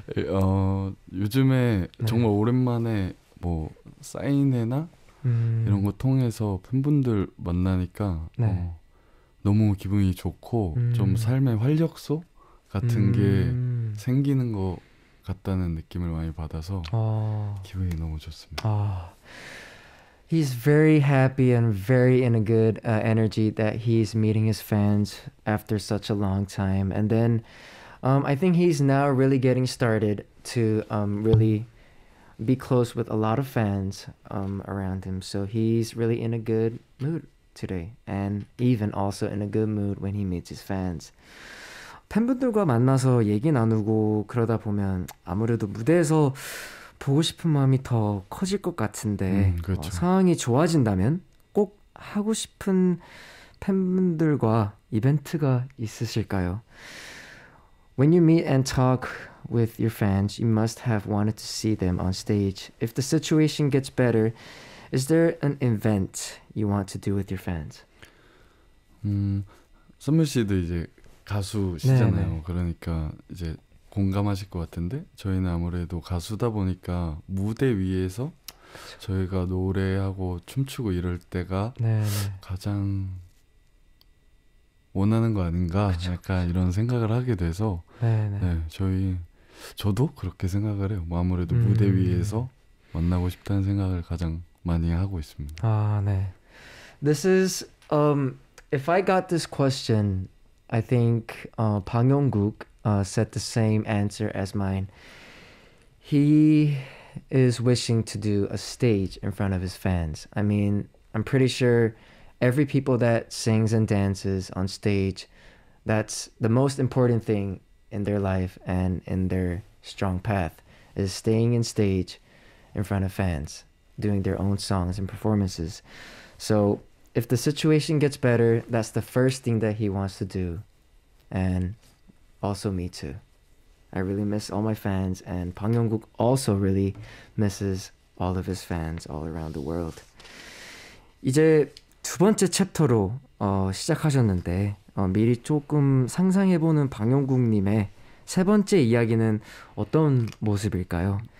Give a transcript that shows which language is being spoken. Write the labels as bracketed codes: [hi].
[ko] 어, 요즘에 네. 정말 오랜만에 뭐 사인회나 이런 거 통해서 팬분들 만나니까 네. 어, 너무 기분이 좋고 좀 삶의 활력소 같은 게 생기는 거 같다는 느낌을 많이 받아서 어. 기분이 너무 좋습니다. 어. [en] He's very happy and very in a good energy that he's meeting his fans after such a long time. And then I think he's now really getting started to really be close with a lot of fans around him. So he's really in a good mood today. And even also in a good mood when he meets his fans. [ko] 팬분들과 만나서 얘기 나누고 그러다 보면 아무래도 무대에서 보고 싶은 마음이 더 커질 것 같은데 그렇죠. 어, 상황이 좋아진다면 꼭 하고 싶은 팬분들과 이벤트가 있으실까요? [en] When you meet and talk with your fans, you must have wanted to see them on stage. If the situation gets better, is there an event you want to do with your fans? [ko] 선미 씨도 이제 가수시잖아요. 네네. 그러니까 이제 공감하실 것 같은데 저희는 아무래도 가수다 보니까 무대 위에서 그쵸. 저희가 노래하고 춤추고 이럴 때가 네네. 가장 원하는 거 아닌가 그쵸, 약간 그쵸. 이런 생각을 하게 돼서 네네. 네, 저희 저도 그렇게 생각을 해요. 뭐 아무래도 무대 위에서 만나고 싶다는 생각을 가장 많이 하고 있습니다. 아, 네. [en] This is if I got this question, I think Bang Yong-guk said the same answer as mine. He is wishing to do a stage in front of his fans. I mean, I'm pretty sure every people that sings and dances on stage, that's the most important thing in their life and in their strong path, is staying in stage in front of fans, doing their own songs and performances. So if the situation gets better, that's the first thing that he wants to do. And also me too. I really miss all my fans, and Bang Yong-guk also really misses all of his fans all around the world. [ko] 이제 두 번째 챕터로 어, 시작하셨는데 어, 미리 조금 상상해보는 방영국님의 세 번째 이야기는 어떤 모습일까요?